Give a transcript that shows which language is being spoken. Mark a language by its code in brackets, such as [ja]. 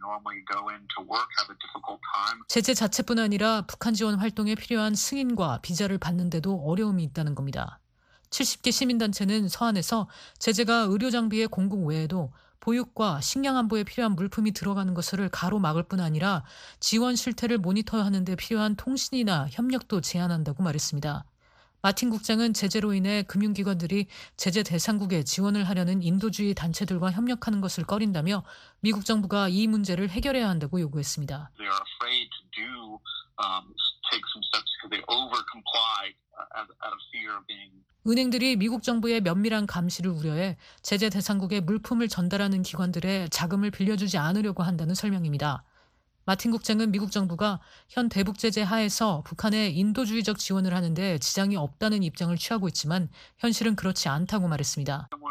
[en] Humanitarian groups that would normally go in to work have a difficult time. [ko] 제재 자체뿐 아니라 북한 지원 활동에 필요한 승인과 비자를 받는데도 어려움이 있다는 겁니다. 70개 시민단체는 서한에서 제재가 의료 장비의 공급 외에도 보육과 식량 안보에 필요한 물품이 들어가는 것을 가로막을 뿐 아니라 지원 실태를 모니터하는 데 필요한 통신이나 협력도 제한한다고 말했습니다. 마틴 국장은 제재로 인해 금융기관들이 제재 대상국에 지원을 하려는 인도주의 단체들과 협력하는 것을 꺼린다며 미국 정부가 이 문제를 해결해야 한다고 요구했습니다. [en] They are afraid to do, take some steps because they over-comply out of fear of being... [ko] 은행들이 미국 정부의 면밀한 감시를 우려해 제재 대상국에 물품을 전달하는 기관들의 자금을 빌려주지 않으려고 한다는 설명입니다. 마틴 국장은 미국 정부가 현 대북 제재 하에서 북한에 인도주의적 지원을 하는데 지장이 없다는 입장을 취하고 있지만 현실은 그렇지 않다고 말했습니다.